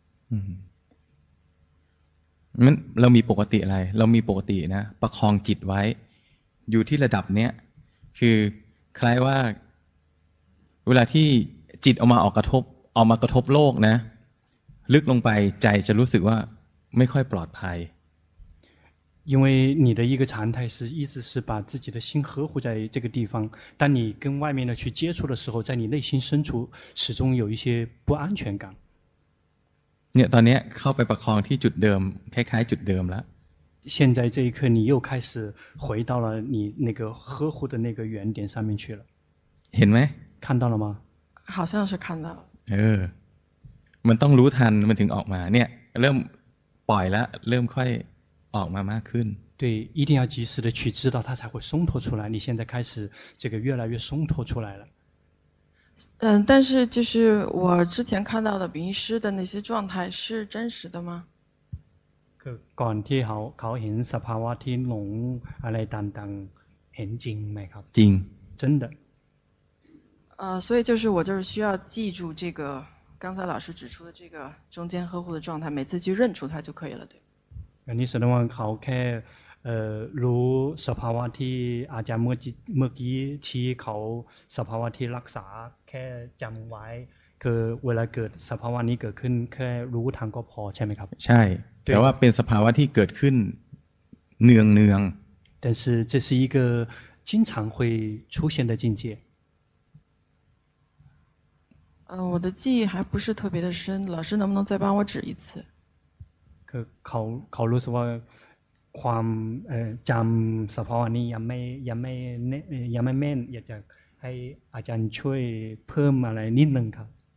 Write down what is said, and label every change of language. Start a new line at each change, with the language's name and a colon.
Chinese: 嗯那
Thai: เรามีปกติอะไรเรามีปกตินะประคองจิตไว้อยู่ที่ระดับเนี้ยคือคล้ายว่าเวลาที่จิตออกมากระทบโลกนะลึกลงไปใจจะรู้สึกว่าไม่ค่อยปลอดภัย
Chinese: 因为你的一个常态是一直是把自己的心呵护在这个地方当你跟外面的去接触的时候在你内心深处始终有一些不安全感
Thai: เนี่ยตอนนี้เข้าไปประคองที่จุดเดิมคล้ายๆจุดเดิมแล้
Chinese: ว现在这一刻你又开始回到了你那个呵护的那个原点上面去了
Thai: เห็นไหม
Chinese: 看到了吗好像是看到了
Thai: มันต้องรู้ทันมันถึงออกมาเนี่ยเริ่มปล่อยแล้วเริ่มค่อยออกมามากขึ้น
Chinese: 对一定要及时的去知道它才会松脱出来你现在开始这个越来越松脱出来了嗯，但是就是我之前看到的名师的那些状态是真实的吗？
Thai: ก่อนที่เขาเห็นสภาวะที่หลงอะไรต่างๆเห็นจริงไหมครับ จริง
Chinese: 真的所以就是我就是需要记住这个刚才老师指出的这个中间呵护的状态每次去认出它就可以了对你说的话
Thai: เขาแค่รู้สภาวะที่อาจารย์เมื่อกี้ชี้เขาสภาวะที่รักษาแค่จำไว้คือเวลาเกิดสภาวะนี้เกิดขึ้นแค่รู้ทางก็พอใช่ไหมครับ ใช่แต่ว่าเป็นสภาวะที่เกิดขึ้นเนือง
Chinese: 但是这是一个经常会出现的境界我的记忆还不是特别的深老师能不能再帮我指一次
Thai: คือเขารู้สึกว่าความจำสภาวะนี้ยังไม่แม่นอยากจะให้อาจารย์ช่วยเพิ่มอะไรนิดนึงครับ